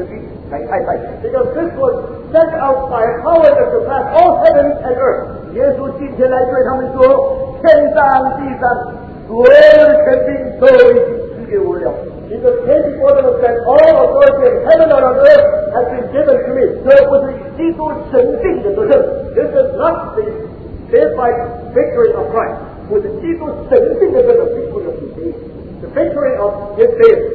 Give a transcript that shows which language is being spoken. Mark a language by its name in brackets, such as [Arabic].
[English] Because this was sent out by a power that surpassed all heaven and earth. [Chinese] 耶稣今天来对他们说, 天上地上, 所有的权柄都已经赐给我了。 [English] Jesus came before them and said, all authority in heaven and on earth has been given to me. This is not the deified victory of Christ. The victory of His deity.